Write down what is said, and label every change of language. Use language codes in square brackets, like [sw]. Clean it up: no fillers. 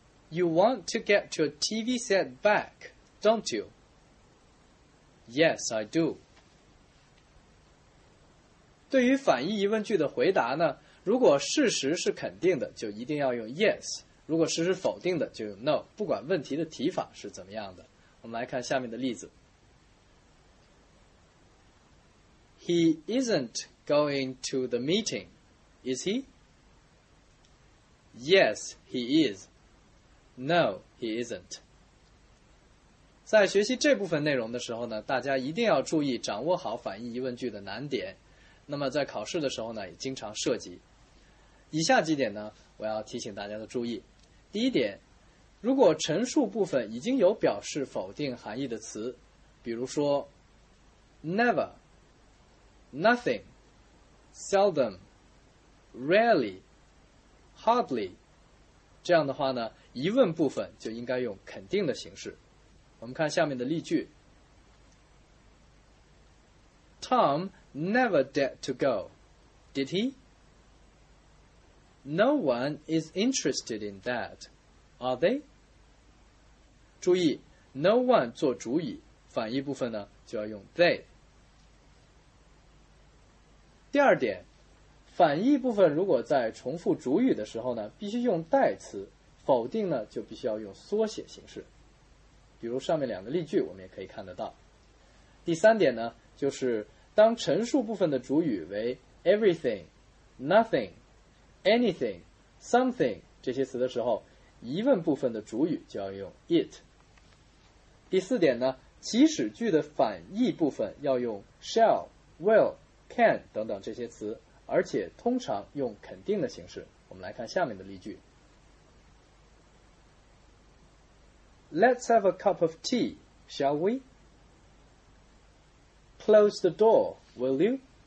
[en] You want to get your TV set back, don't you? Yes, I do. [zh] 对于反义疑问句的回答呢，如果事实是肯定的，就一定要用 yes， 如果事实否定的，就用 no， 不管问题的提法是怎么样的。我们来看下面的例子。 [en] He isn't going to the meeting, is he? Yes, he is. No, he isn't. [zh] 在学习这部分内容的时候呢，大家一定要注意掌握好反义疑问句的难点。那么在考试的时候呢，也经常涉及以下几点呢，我要提醒大家的注意。第一点，如果陈述部分已经有表示否定含义的词，比如说 never, nothing, seldom, rarely, hardly 这样的话呢，疑问部分就应该用肯定的形式。我们看下面的例句。 [en] TomNever dared to go, did he? No one is interested in that, are they? [zh] 注意 no one 做主语，反义部分呢就要用 they。第二点，反义部分如果在重复主语的时候呢，必须用代词，否定呢就必须要用缩写形式，比如上面两个例句我们也可以看得到。第三点呢，就是当陈述部分的主语为 everything, nothing, anything, something 这些词的时候，疑问部分的主语就要用 it。第四点呢，祈使句的反义部分要用 shall, will, can 等等这些词，而且通常用肯定的形式。我们来看下面的例句。 [en] Let's have a cup of tea, shall we? Close the door, will you?